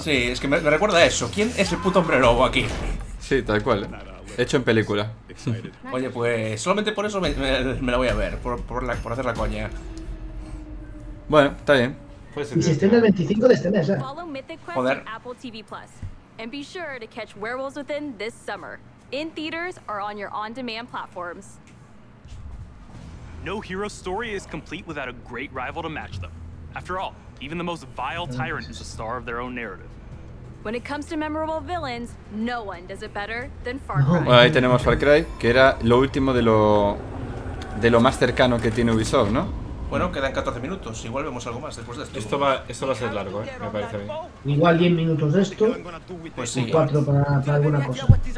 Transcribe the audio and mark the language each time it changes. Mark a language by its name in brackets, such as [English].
[Spanish] Sí, es que me recuerda a eso. ¿Quién es el puto hombre lobo aquí? Sí, tal cual. Hecho en película. Oye, pues solamente por eso me la voy a ver, por hacer la coña. Bueno, está bien. Pues, y si estén el 25 de este mes, ¿eh? Joder. [English] And be sure to catch Werewolves Within this summer, in theaters or on your on-demand platforms. No hero story is complete without a great rival to match them. After all, even the most vile tyrant is a star of their own narrative. When it comes to memorable villains, no one does it better than Far Cry. [Spanish] Bueno, ahí tenemos Far Cry, que era lo último de lo más cercano que tiene Ubisoft, ¿no? Bueno, quedan 14 minutos, igual vemos algo más después de esto. Esto va a ser largo, me parece bien. Igual 10 minutos de esto, pues sí. Y 4 para alguna cosa.